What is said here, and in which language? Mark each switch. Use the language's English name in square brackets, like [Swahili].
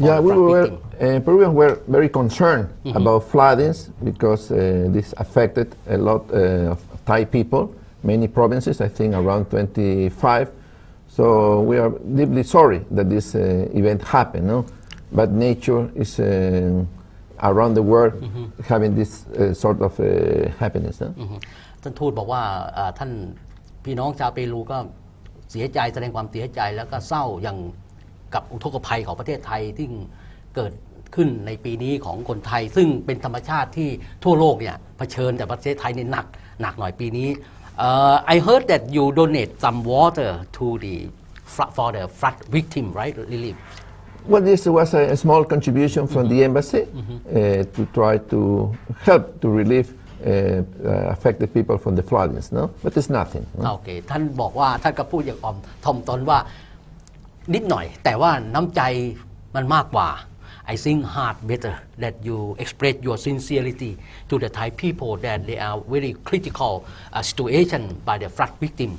[English] yeah we were Peruvians were very concerned about floodings because this affected a lot of Thai people many provinces I think around 25 so we are deeply sorry that this event happened no. But nature is around the world having this sort of happiness. [Thai] ท่านทูตบอกว่าท่านพี่น้องชาวเปรูก็เสียใจแสดงความเสียใจแล้วก็เศร้าอย่างกับอุทกภัยของประเทศไทยที่เกิดขึ้นในปีนี้ของคนไทยซึ่งเป็นธรรมชาติที่ทั่วโลกเนี่ยเผชิญแต่ประเทศไทยนี่หนักหน่อยปีนี้ [English] I heard that you donate some water to the for the flood victim, right, Lily? Well, this was a small contribution from the embassy to try to help to relieve affected people from the floodings, no? But it's nothing. No? Okay, [Thai] ท่านบอกว่าท่านก็พูดอย่างอ่อมถ่อมตนว่านิดหน่อยแต่ว่าน้ำใจมันมากกว่า [English] I think heart better that you express your sincerity to the Thai people that they are very critical situation by the flood victim.